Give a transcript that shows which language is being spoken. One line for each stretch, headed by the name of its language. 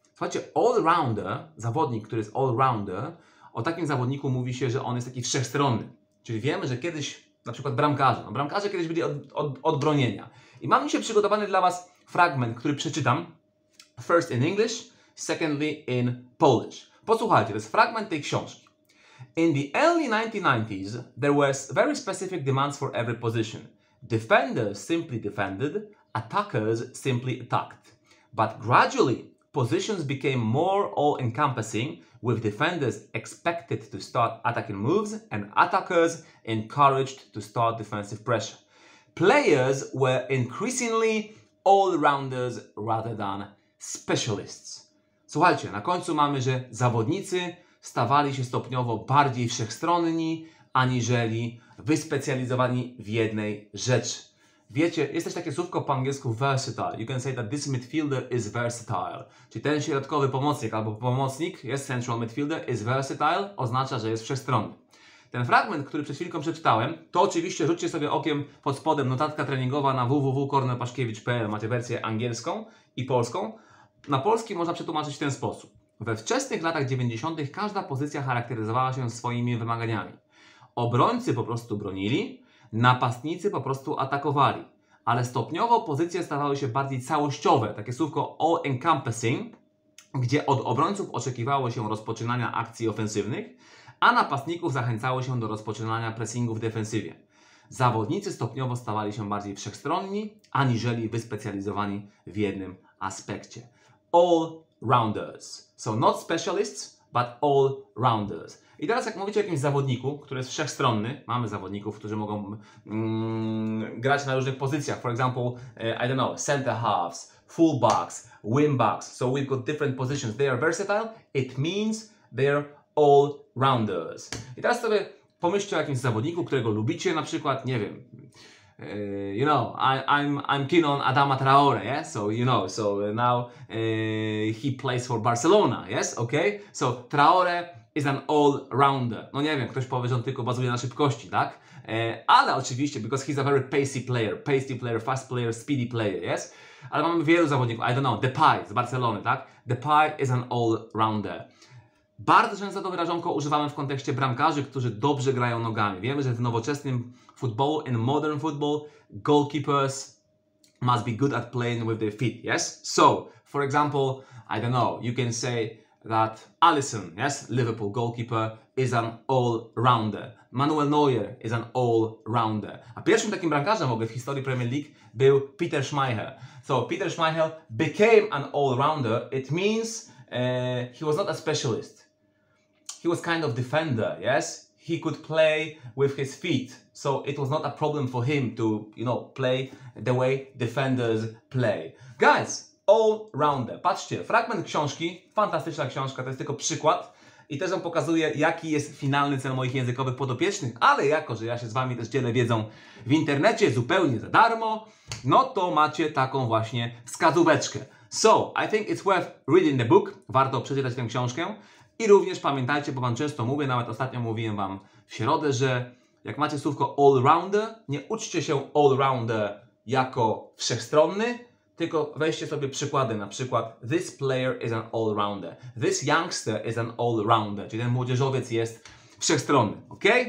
Polish: Słuchajcie, all-rounder, zawodnik, który jest all-rounder, o takim zawodniku mówi się, że on jest taki wszechstronny. Czyli wiemy, że kiedyś, na przykład bramkarze, no bramkarze kiedyś byli od bronienia. I mam dzisiaj przygotowany dla Was fragment, który przeczytam.
English: First in English. Secondly, in Polish.
Polish: Posłuchajcie, to jest fragment tej książki.
English: In the early 1990s, there were very specific demands for every position. Defenders simply defended, attackers simply attacked. But gradually, positions became more all-encompassing, with defenders expected to start attacking moves and attackers encouraged to start defensive pressure. Players were increasingly all-rounders rather than specialists.
Polish: Słuchajcie, na końcu mamy, że zawodnicy stawali się stopniowo bardziej wszechstronni, aniżeli wyspecjalizowani w jednej rzeczy. Wiecie, jest też takie słówko po angielsku versatile.
English: You can say that this midfielder is versatile.
Polish: Czyli ten środkowy pomocnik albo pomocnik, jest
English: central midfielder, is versatile,
Polish: oznacza, że jest wszechstronny. Ten fragment, który przed chwilką przeczytałem, to oczywiście rzućcie sobie okiem pod spodem notatka treningowa na www.kornelpaszkiewicz.pl, macie wersję angielską i polską. Na polski można przetłumaczyć w ten sposób. We wczesnych latach 90. każda pozycja charakteryzowała się swoimi wymaganiami. Obrońcy po prostu bronili, napastnicy po prostu atakowali. Ale stopniowo pozycje stawały się bardziej całościowe, takie słówko all-encompassing, gdzie od obrońców oczekiwało się rozpoczynania akcji ofensywnych, a napastników zachęcało się do rozpoczynania pressingu w defensywie. Zawodnicy stopniowo stawali się bardziej wszechstronni, aniżeli wyspecjalizowani w jednym aspekcie.
English: All-rounders. So not specialists, but all-rounders.
Polish: I teraz jak mówicie o jakimś zawodniku, który jest wszechstronny, mamy zawodników, którzy mogą grać na różnych pozycjach.
English: For example, I don't know, center halves, fullbacks, wingbacks. So we've got different positions. They are versatile. It means they're all-rounders.
Polish: I teraz sobie pomyślcie o jakimś zawodniku, którego lubicie, na przykład, nie wiem,
English: you know, I'm keen on Adama Traore, yeah? So you know, so now he plays for Barcelona, yes? Okay? So Traore is an all-rounder.
Polish: No nie wiem, ktoś powie, że on tylko bazuje na szybkości, tak? Ale oczywiście,
English: because he's a very pacey player, fast player, speedy player, yes?
Polish: Ale mamy wielu zawodników,
English: I don't know,
Polish: Depay z Barcelony, tak?
English: Depay is an all-rounder.
Polish: Bardzo często to wyrażonko używamy w kontekście bramkarzy, którzy dobrze grają nogami. Wiemy, że w nowoczesnym football,
English: in modern football, goalkeepers must be good at playing with their feet, yes? So, for example, I don't know, you can say that Alisson, yes, Liverpool goalkeeper, is an all-rounder. Manuel Neuer is an all-rounder.
Polish: A pierwszym takim bramkarzem w ogóle w historii Premier League był Peter Schmeichel.
English: So, Peter Schmeichel became an all-rounder. It means he was not a specialist. He was kind of defender, yes? He could play with his feet. So it was not a problem for him to, you know, play the way defenders play. Guys, all-rounder.
Polish: Patrzcie, fragment książki, fantastyczna książka, to jest tylko przykład. I też on pokazuje, jaki jest finalny cel moich językowych podopiecznych. Ale jako, że ja się z Wami też dzielę wiedzą w internecie zupełnie za darmo, no to macie taką właśnie wskazóweczkę.
English: So, I think it's worth reading the book.
Polish: Warto przeczytać tę książkę. I również pamiętajcie, bo Wam często mówię, nawet ostatnio mówiłem Wam w środę, że jak macie słówko all-rounder, nie uczcie się all-rounder jako wszechstronny, tylko weźcie sobie przykłady, na przykład
English: this player is an all-rounder,
Polish: this youngster is an all-rounder, czyli ten młodzieżowiec jest wszechstronny. Ok?